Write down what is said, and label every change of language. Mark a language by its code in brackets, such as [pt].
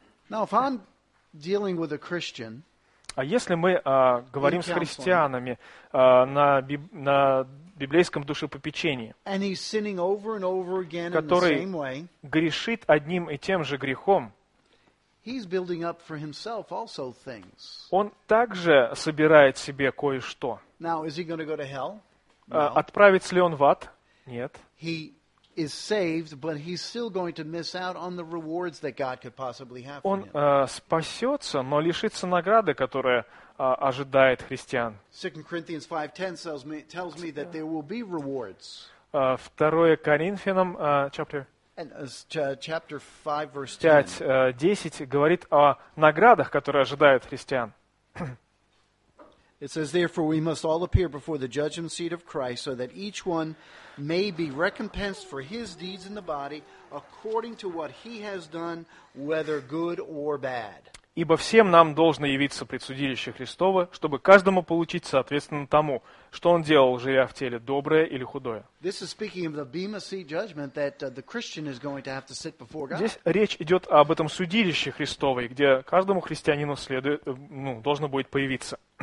[ru] А если мы говорим с христианами на библейском душепопечении, который грешит одним и тем же грехом, [en] He's building up for himself also things. [ru] Он также собирает себе кое-что. [en] Now, is he going to go to hell? [ru] No. Отправится ли он в ад? Нет. [en] He is saved, but he's still going to miss out on the rewards that God could possibly have for him. [ru] Он спасется, но лишится награды, которая ожидает христиан. [en] 2 Corinthians 5:10 tells me that there will be rewards. [ru] 2 Коринфянам, chapter... [en] Chapter 5, verse 10. [ru] 5:10 говорит о наградах, которые ожидают христиан. [en] It says, therefore, we must all appear before the judgment seat of Christ so that each one may be recompensed for his deeds in the body according to what he has done, whether good or bad. [ru] Ибо всем нам должно явиться пред судилище Христово, чтобы каждому получить соответственно тому, что он делал, живя в теле, доброе или худое. Здесь речь идет об этом судилище Христовой, где каждому христианину следует, ну, должно будет появиться.